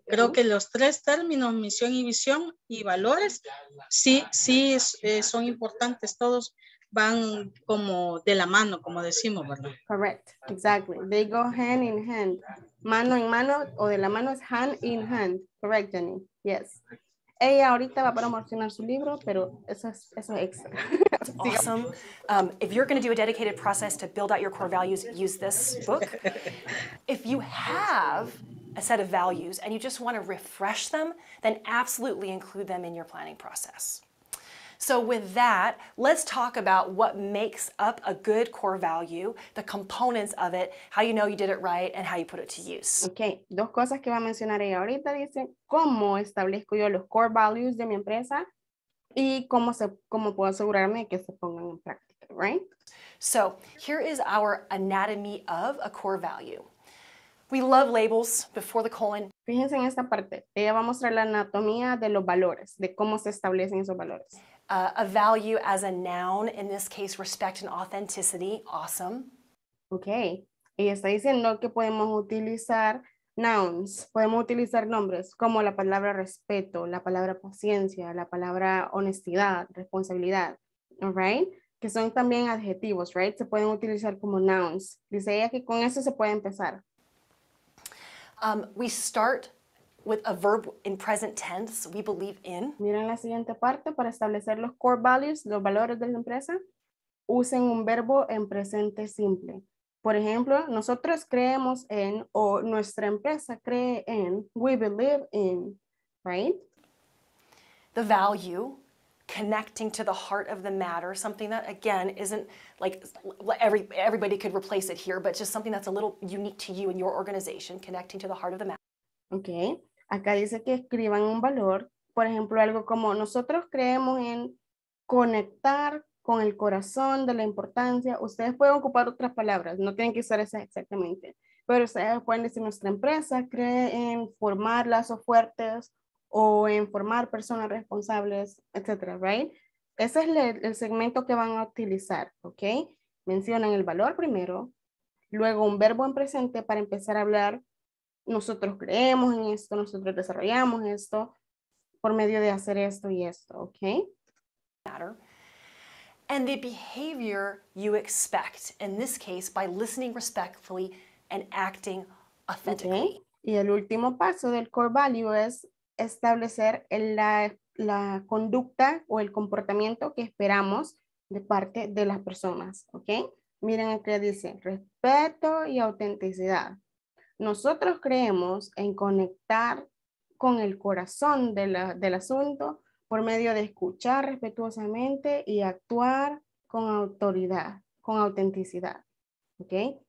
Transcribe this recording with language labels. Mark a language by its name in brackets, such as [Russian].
[Spanish] Creo que los tres términos, misión y visión y valores, sí, son importantes todos. Van como de la mano, como decimos, ¿verdad? [English] Correct, exactly. They go hand in hand. [Spanish] Mano en mano, o de la mano es [English] hand in hand. Correct, Jenny. Yes. [Spanish] Ella ahorita va a promocionar su libro, pero eso es extra. [English] Awesome. If you're going to do a dedicated process to build out your core values, use this book. If you have a set of values and you just want to refresh them, then absolutely include them in your planning process. So with that, let's talk about what makes up a good core value, the components of it, how you know you did it right, and how you put it to use. [Spanish] Okay, dos cosas que va a mencionar ella ahorita, dice, ¿cómo establezco yo los core values de mi empresa? Y cómo puedo asegurarme que se pongan en práctica, right? [English] So here is our anatomy of a core value. We love labels before the colon. [Spanish] Fíjense en esta parte. Ella va a mostrar la anatomía de los valores, de cómo se establecen esos valores. [English] A value as a noun, in this case, respect and authenticity. Awesome. Okay. [Spanish] Ella está diciendo que podemos utilizar nouns, podemos utilizar nombres como la palabra respeto, la palabra paciencia, la palabra honestidad, responsabilidad, right? Que son también adjetivos, right? Se pueden utilizar como nouns. Dice ella que con eso se puede empezar. [English] We start with a verb in present tense, we believe in. [Spanish] Miren la siguiente parte para establecer los core values, los valores de la empresa. Usen un verbo en presente simple. Por ejemplo, nosotros creemos en, o nuestra empresa cree en, [English] we believe in, [Spanish] right? [English] The value, connecting to the heart of the matter, something that, again, isn't like everybody could replace it here, but just something that's a little unique to you and your organization, connecting to the heart of the matter. [Spanish] Okay, acá dice que escriban un valor, por ejemplo, algo como nosotros creemos en conectar con el corazón de la importancia. Ustedes pueden ocupar otras palabras, no tienen que usar esas exactamente, pero ustedes pueden decir nuestra empresa cree en formar lazos fuertes o en formar personas responsables, etcétera, right? Ese es el segmento que van a utilizar, ¿ok? Mencionan el valor primero, luego un verbo en presente para empezar a hablar. Nosotros creemos en esto, nosotros desarrollamos esto por medio de hacer esto y esto, ¿ok? [English] Matter. And the behavior you expect, in this case, by listening respectfully and acting authentically. [Spanish] Okay. Y el último paso del core value es establecer la conducta o el comportamiento que esperamos de parte de las personas, ¿ok? Miren lo que dice, respeto y autenticidad. Nosotros creemos en conectar con el corazón del asunto por medio de escuchar respetuosamente y actuar con autoridad, con autenticidad, ¿ok?